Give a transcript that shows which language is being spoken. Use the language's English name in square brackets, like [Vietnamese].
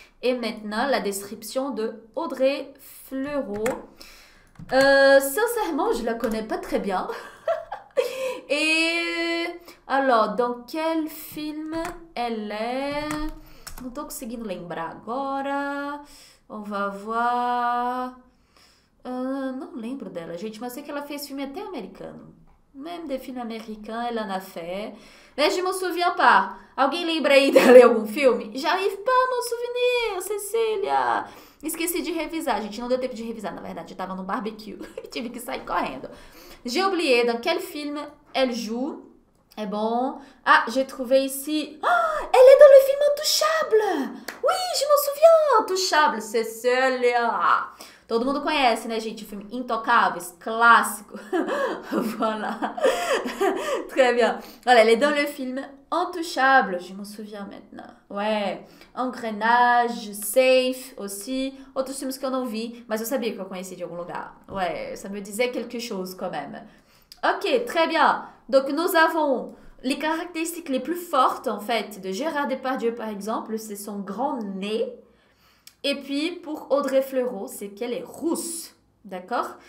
[French] Et maintenant, la description de Audrey Fleurot. Sincèrement, je ne la connais pas très bien. Et alors, dans quel film elle est? Donc, c'est [Portuguese] lembrar agora. [French] On va voir. [Portuguese] Não lembro dela, gente, mas sei que ela fez filme até americano. [French] Même des films américains, elle en a fait. Mais je me souviens pas. [Portuguese] Alguém lembra aí dela em algum filme? [French] J'arrive pas à m'en souvenir, Cecília. [Portuguese] Esqueci de revisar, gente. Não deu tempo de revisar, na verdade. Eu tava no barbecue e tive que sair correndo. [French] J'ai oublié dans quel film elle joue. [Portuguese] É bom. [French] Ah, j'ai trouvé ici. Ah, elle est dans le film Intouchable. Oui, je m'en souviens. Intouchable, Cecília. [Portuguese] Todo mundo conhece, né, gente? O filme Intocáveis, clássico. [French] Voilà. Très bien. [Portuguese] Olha, ele é [French] dans le film [Portuguese] Intouchable. [French] Je me souviens maintenant. Ouais. Engrenage, Safe, aussi. [Portuguese] Outros filmes que eu não vi, mas eu sabia que eu conhecia de algum lugar. [French] Ouais, ça me disait quelque chose quand même. Ok, très bien. Donc, nous avons les caractéristiques les plus fortes, en fait, de Gérard Depardieu, par exemple, c'est son grand nez. Et puis, pour Audrey Fleurot, c'est qu'elle est rousse. D'accord?